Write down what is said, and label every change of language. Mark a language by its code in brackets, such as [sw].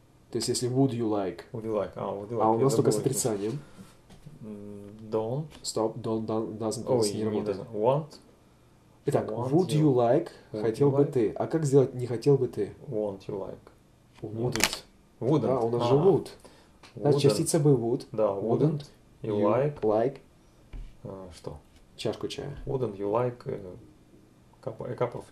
[ru] То есть, если [en] would you like. Would you like? Would you like? [ru] А у нас только с отрицанием. [en] Don't. Stop. Don't doesn't [ru] always не работает. [en] Want. Итак, want would you like, would хотел you бы like? [ru] Ты. А как сделать не хотел бы ты? [en] Won't you like. Wouldn't. Wouldn't. [ru] Да, у нас же would. Да, частица бы would. Да, [en] wouldn't. You like. Like. [ru] Что? Чашку чая. [en] Wouldn't you like a cup of tea?